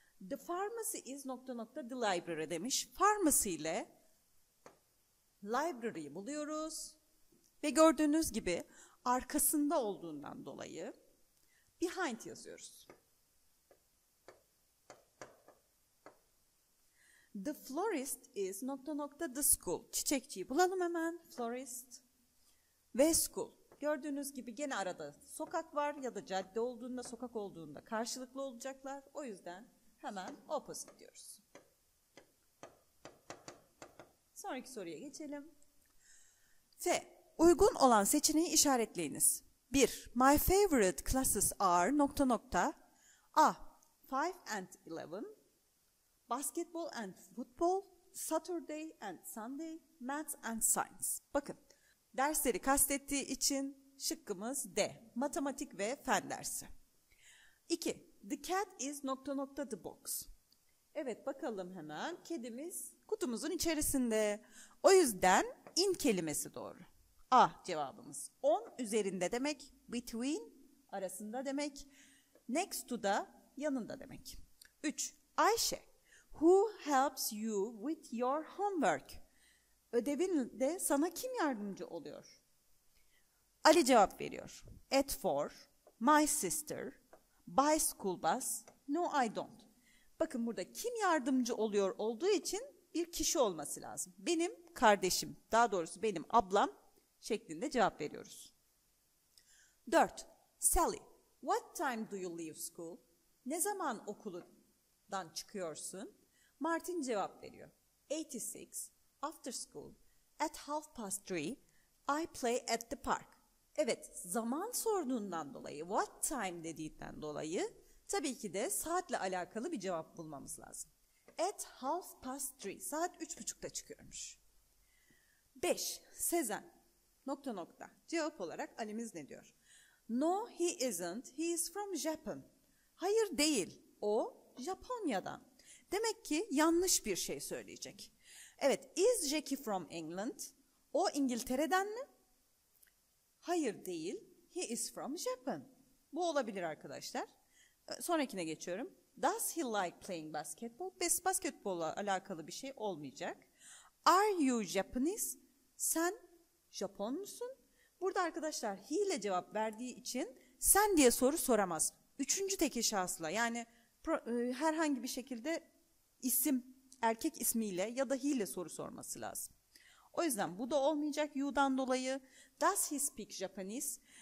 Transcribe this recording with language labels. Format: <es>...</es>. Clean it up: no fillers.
<en>The pharmacy is</en> <tr>nokta nokta</tr> <en>the library</en> <tr>demiş. Pharmacy ile library'yi buluyoruz. Ve gördüğünüz gibi arkasında olduğundan dolayı behind yazıyoruz.</tr> <en>The florist is</en> <tr>nokta nokta</tr> <en>the school.</en> <tr>Çiçekçiyi bulalım hemen. Florist ve school. Gördüğünüz gibi gene arada sokak var ya da cadde olduğunda, sokak olduğunda karşılıklı olacaklar. O yüzden hemen opposite diyoruz. Sonraki soruya geçelim. T. Uygun olan seçeneği işaretleyiniz.</tr> <en>1. My favorite classes are</en> <tr>nokta nokta.</tr> <en>A. 5 and 11. Basketball and football. Saturday and Sunday. Math and science.</en> <tr>Bakın, dersleri kastettiği için şıkkımız D. Matematik ve fen dersi. 2.</tr> <en>The cat is</en> <tr>nokta nokta</tr> <en>the box.</en> <tr>Evet, bakalım hemen. Kedimiz kutumuzun içerisinde. O yüzden in kelimesi doğru. A cevabımız. 10 üzerinde demek, between arasında demek, next to da yanında demek. 3.</tr> <en>Ayşe, who helps you with your homework?</en> <tr>Ödevinde sana kim yardımcı oluyor? Ali cevap veriyor.</tr> <en>At 4, my sister, by school bus, no I don't.</en> <tr>Bakın burada kim yardımcı oluyor olduğu için bir kişi olması lazım. Benim kardeşim, daha doğrusu benim ablam şeklinde cevap veriyoruz. 4.</tr> <en>Sally, what time do you leave school?</en> <tr>Ne zaman okuldan çıkıyorsun? Martin cevap veriyor.</tr> <en>86, after school, at 3:30, I play at the park.</en> <tr>Evet, zaman sorduğundan dolayı, what time dediğinden dolayı, tabii ki de saatle alakalı bir cevap bulmamız lazım.</tr> <en>At 3:30,</en> <tr>saat 3:30'da çıkıyormuş. 5. Sezen, nokta nokta. Cevap olarak Ali'miz ne diyor?</tr> <en>No, he isn't. He is from Japan.</en> <tr>Hayır değil. O Japonya'dan. Demek ki yanlış bir şey söyleyecek.</tr> <en>Evet, is Jackie from England?</en> <tr>O İngiltere'den mi? Hayır değil.</tr> <en>He is from Japan.</en> <tr>Bu olabilir arkadaşlar. Sonrakine geçiyorum.</tr> <en>Does he like playing basketball?</en> <tr>Basketbolla alakalı bir şey olmayacak.</tr> <en>Are you Japanese?</en> <tr>Sen Japon musun? Burada arkadaşlar he ile cevap verdiği için sen diye soru soramaz. Üçüncü tekil şahısla, yani herhangi bir şekilde isim, erkek ismiyle ya da he ile soru sorması lazım. O yüzden bu da olmayacak you'dan dolayı.</tr> <en>Does he speak Japanese?</en>